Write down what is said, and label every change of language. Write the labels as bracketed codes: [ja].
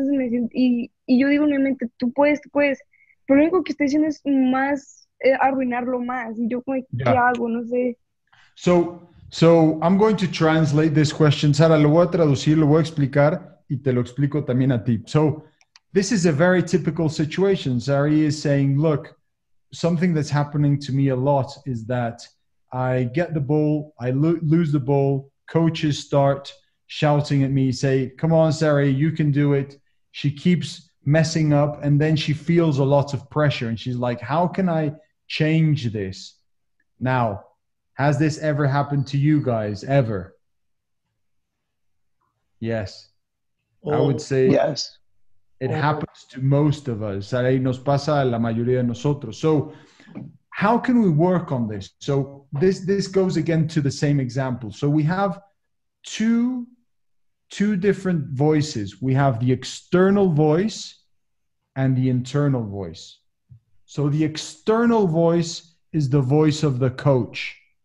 [es] Entonces me siento, y yo digo en mi mente, tú puedes. Pero lo único que estoy haciendo es más, arruinarlo más. Y yo, ¿qué hago? No sé. [en] So I'm going to translate this question. [es] Sara, lo voy a traducir, lo voy a explicar, y te lo explico también a ti. [en] So, this is a very typical situation. Sari is saying, look, something that's happening to me a lot is that I get the ball, I lose the ball, coaches start shouting at me, say, come on, Sari, you can do it. She keeps messing up and then she feels a lot of pressure and she's like, how can I change this? Now, has this ever happened to you guys, ever? Yes. Oh, I would say yes. It happens to most of us. [es] Sari, nos pasa a la mayoría de nosotros. [en] So, how can we work on this? So this goes again to the same example. So we have two different voices. We have the external voice and the internal voice. So the external voice is the voice of the coach.